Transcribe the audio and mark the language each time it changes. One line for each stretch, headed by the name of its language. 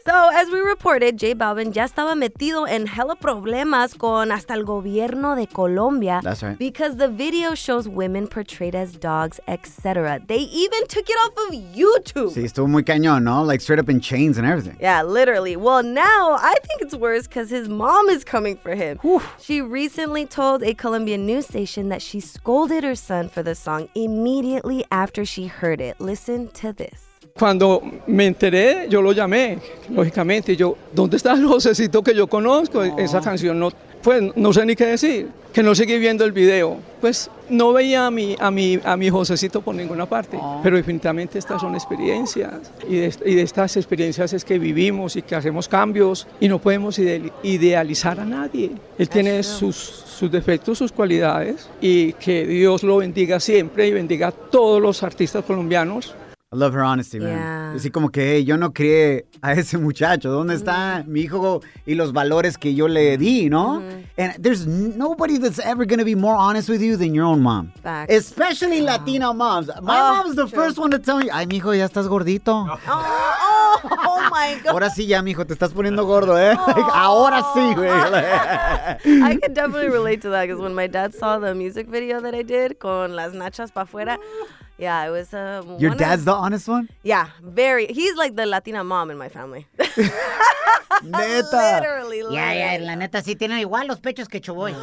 English: So, as we reported,
Spanish: J Balvin ya estaba metido en hella problemas con hasta el gobierno de Colombia.
English: That's right. Because the video shows women portrayed as dogs, etc. They even took it off of YouTube.
Spanish: Sí, estuvo muy cañón, ¿no?
English: Like, straight up in chains and everything. Yeah, literally. Well, now, I think it's worse because his mom is coming for him. Oof. She recently told a Colombian news station that she scolded her son for the song immediately after she heard it. Listen to this.
Spanish: Cuando me enteré, yo lo llamé, lógicamente, y yo, ¿dónde está el vocecito que yo conozco? Oh. Esa canción, no, pues, no sé ni qué decir, que no seguí viendo el video. Pues, no veía a mi vocecito por ninguna parte, oh. Pero definitivamente estas son experiencias, y de estas experiencias es que vivimos y que hacemos cambios, y no podemos idealizar a nadie. Él tiene sus defectos, sus cualidades, y que Dios lo bendiga siempre, y bendiga a todos los artistas colombianos.
English: I love her honesty, man. Yeah.
Spanish: Así como que, hey, yo no crié a ese muchacho. ¿Dónde está mi hijo y los valores que yo le di, no? Mm-hmm.
English: And there's nobody that's ever going to be more honest with you than your own mom. Facts. Especially Latina moms. My mom's the first one to tell me,
Spanish: ay, mijo, ya estás gordito.
English: Oh, oh my God.
Spanish: Ahora sí ya, mijo, te estás poniendo gordo, ¿eh? Like, ahora sí, güey.
English: I can definitely relate to that because when my dad saw the music video that I did
Spanish: con las nachas pa' afuera,
English: yeah, it was... Your dad's the honest one? Yeah, very. He's like the Latina mom in my family.
Spanish: Neta.
English: Literally. Yeah, yeah,
Spanish: la neta, sí tiene igual los pechos que Shaboy.